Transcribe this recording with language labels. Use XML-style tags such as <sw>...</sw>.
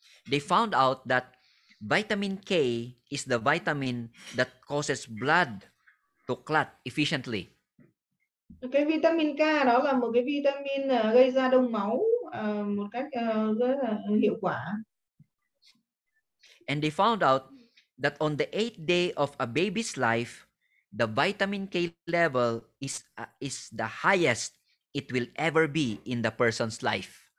<en>They found out that vitamin K is the vitamin that causes blood to clot efficiently.</en> <vi>Cái vitamin K đó là một cái vitamin gây ra đông máu một cách rất là hiệu quả.</vi> <en>And they found out that on the 8th day of a baby's life, the vitamin K level is the highest it will ever be in the person's life.</en>